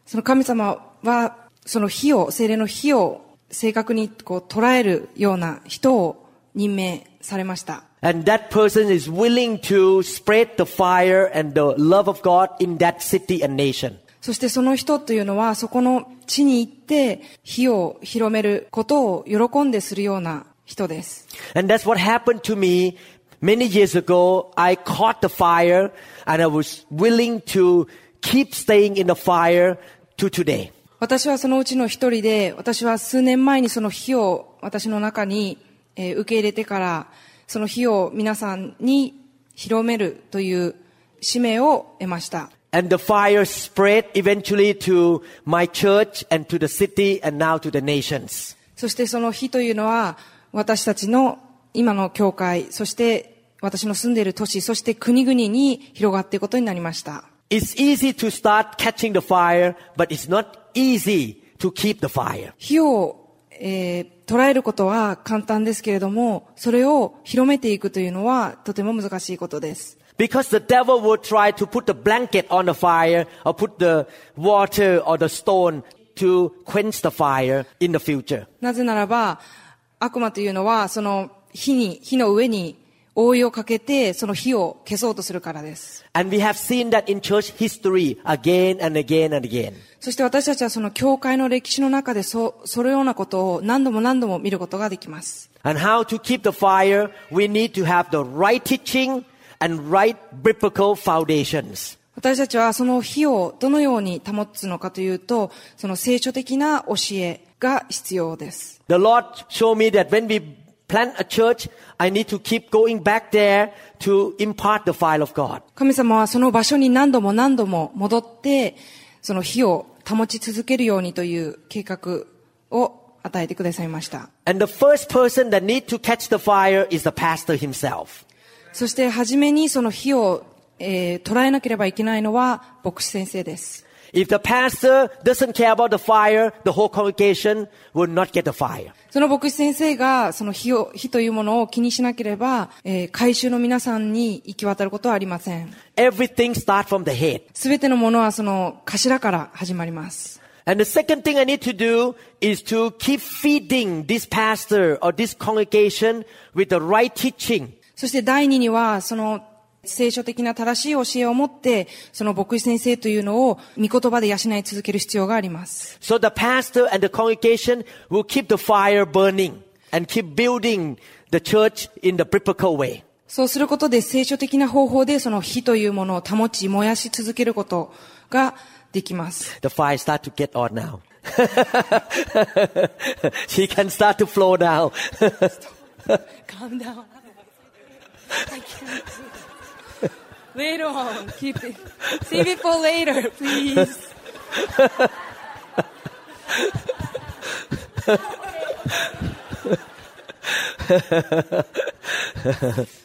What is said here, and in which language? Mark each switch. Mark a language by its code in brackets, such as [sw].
[ja] その神様はその火を、聖霊の火を正確にこう捉えるような人を任命されました。 [en] And that person is willing to spread the fire and the love of God in that city and nation. [ja] そしてその人というのはそこの地に行って火を広めることを喜んでするような人です。 [en] And that's what happened to me many years ago. I caught the fire and I was willing to keep staying in the fire to today. [ja] 私はそのうちの一人で、私は数年前にその火を私の中に、受け入れてから、その火を皆さんに広めるという使命を得ました。 [en] And the fire spread eventually to my church and to the city and now to the nations. [ja] そしてその火というのは、私たちの今の教会、そして私の住んでいる都市、そして国々に広がっていくことになりました。 [en] It's easy to start catching the fire, but it's not easy to keep the fire. [ja] 火を、捉えることは簡単ですけれども、それを広めていくというのはとても難しいことです。 [en] Because the devil will try to put the blanket on the fire, or put the water or the stone to quench the fire in the future. [ja] なぜならば、悪魔というのはその火の上に覆いをかけてその火を消そうとするからです。 [en] And we have seen that in church history again and again and again. [ja] そして私たちはその教会の歴史の中でそのようなことを何度も何度も見ることができます。 [en] And how to keep the fire? We need to have the right teaching and right biblical foundations. [ja] 私たちはその火をどのように保つのかというと、その聖書的な教えが必要です。 [en] The Lord showed me that when weplant a church, I need to keep going back there to impart the fire of God. [ja] 神様はその場所に何度も何度も戻って、その火を保ち続けるようにという計画を与えてくださいました。 [en] And the first person that need to catch the fire is the pastor himself. [ja] そして初めにその火を、捉えなければいけないのは牧師先生です。 [en] If the pastor doesn't care about the fire, the whole congregation will not get the fire. [ja] その牧師先生がその火というものを気にしなければ、会衆の皆さんに行き渡ることはありません。 [en] Everything starts from the head. [ja] すべてのものはその頭から始まります。 [en] And the second thing I need to do is to keep feeding this pastor or this congregation with the right teaching. [ja] そして第二にはその聖書的な正しい教えを持ってその牧師先生というのを御言葉で養い続ける必要があります。 [en] So the pastor and the congregation will keep the fire burning and keep building the church in the biblical way. [ja] そうすることで聖書的な方法でその火というものを保ち燃やし続けることができます。 [en] The fire start to get on now. She can start to flow now. Calm down. I can't. Later on, keep it. Save it for later, please.